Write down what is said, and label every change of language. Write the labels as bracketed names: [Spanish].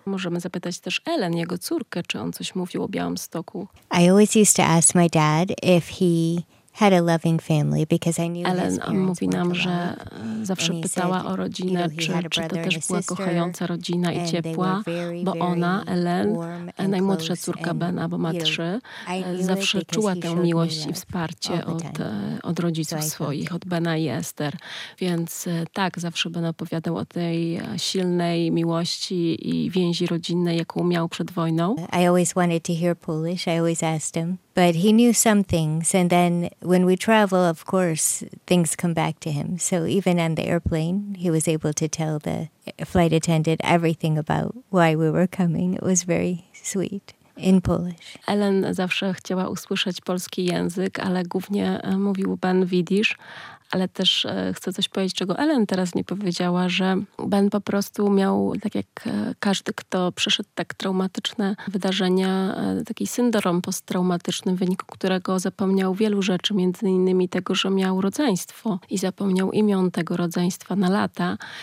[Polish] Możemy zapytać też Ellen, jego córkę, czy on coś mówił o Białymstoku. [English] I always used to ask my dad if he had a loving family because I knew [Polish] Ellen, on mówi nam, że zawsze pytała o rodzinę, czy to też była kochająca rodzina i ciepła, bo ona, Ellen, najmłodsza córka Bena, bo ma trzy, zawsze czuła tę miłość i wsparcie od rodziców swoich, od Bena i Esther. Więc tak, zawsze Ben opowiadał o tej silnej miłości i więzi rodzinnej, jaką miał przed wojną. [English] I always wanted to hear Polish, I always asked him. But he knew some things, and then when we travel, of course, things come back to him. So even on the airplane, he was able to tell the flight attendant everything about why we were coming. It was very sweet. In Polish. [Polish] Ellen zawsze chciała usłyszeć polski język, ale głównie mówił Ben Widisz. Ale też chcę coś powiedzieć, czego Ellen teraz nie powiedziała, że Ben po prostu miał, tak jak każdy, kto przeszedł tak traumatyczne wydarzenia, taki syndrom posttraumatyczny, w wyniku którego zapomniał wielu rzeczy, między innymi tego, że miał rodzeństwo i zapomniał imion tego rodzeństwa na lata.